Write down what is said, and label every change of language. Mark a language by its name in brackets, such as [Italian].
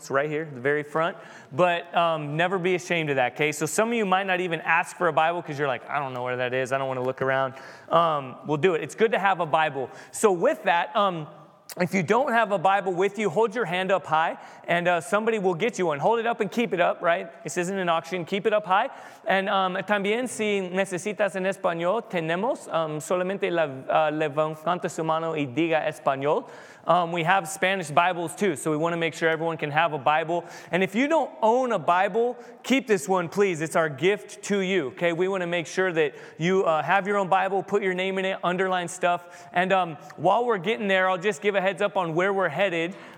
[English] It's right here, the very front. But never be ashamed of that, okay? So some of you might not even ask for a Bible because you're like, "I don't know where that is. I don't want to look around." We'll do it. It's good to have a Bible. So with that, if you don't have a Bible with you, hold your hand up high, and somebody will get you one. Hold it up and keep it up, right? This isn't an auction. Keep it up high. [Spanish] And también, si necesitas en español, tenemos solamente levanta su mano y diga español. [English] We have Spanish Bibles, too, so we want to make sure everyone can have a Bible. And if you don't own a Bible, keep this one, please. It's our gift to you, okay? We want to make sure that you have your own Bible, put your name in it, underline stuff. And while we're getting there, I'll just give a heads up on where we're headed.